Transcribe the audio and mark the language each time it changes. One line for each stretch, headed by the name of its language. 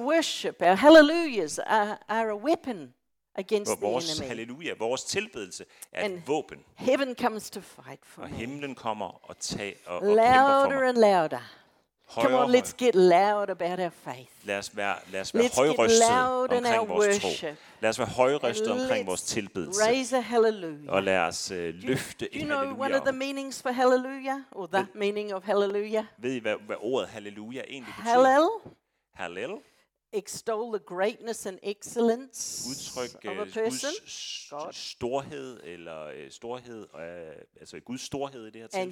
English: Our worship, our hallelujahs are a weapon against the enemy.
Danish: Vores halleluja, vores tilbedelse er et våben.
English: Heaven comes to fight for me.
Danish: Og himlen kommer og tager og kæmper for mig.
English: Louder and louder.
Danish: Højere.
English: Come on, let's get loud about our faith.
Danish: Lad os være højrøstede omkring vores tro. Lad os være højrøstede omkring vores tilbedelse.
English: Raise a hallelujah.
Danish: Og lad os løfte et halleluja.
English: Do you know one of the meanings for hallelujah, or the meaning of hallelujah?
Danish: Ved I hvad ordet halleluja egentlig betyder?
English: Hallel.
Danish: Hallel.
English: Extol the greatness and excellence.
Danish: Udtryk
English: of a person.
Danish: Storhed eller storhed, altså Guds storhed i det her tilfælde.